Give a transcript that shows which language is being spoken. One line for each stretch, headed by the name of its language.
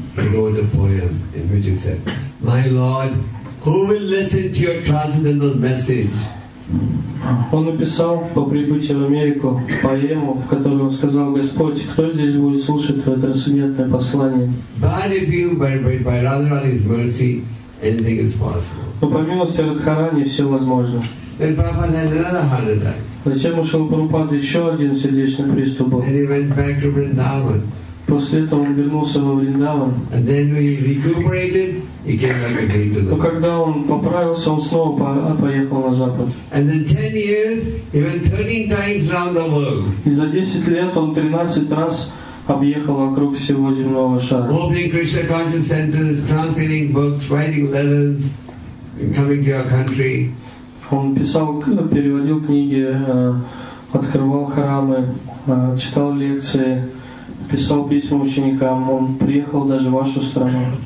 English: He wrote a poem in which he said, "My Lord, who will listen to your transcendental message?"
Russian: Он написал по прибытии в Америку поэму, в которой он сказал: Господь, кто здесь будет слушать твое трансцендентное послание?
English: But if you, by Radharani's mercy, anything is possible.
Russian: Но по милости Радхарани все возможно.
English: Then Prabhupada had another heart attack.
Russian: Затем у Шрилы Прабхупады еще один сердечный приступ был.
English: And he went back to Vrindavan.
Russian: После этого он вернулся во Вриндаван.
English: And then he recuperated, he came back again to the West.
Russian: Но когда он поправился, он снова поехал на Запад.
English: And then 10 years, he went 13 times round the world.
Russian: И за 10 лет он 13 раз объехал вокруг всего земного шара.
English: Opening Krishna Consciousness Centers, translating books, writing letters, and coming to our country.
Russian: Он писал, переводил книги, открывал храмы, читал лекции, писал письма ученикам. Он приехал даже в вашу страну.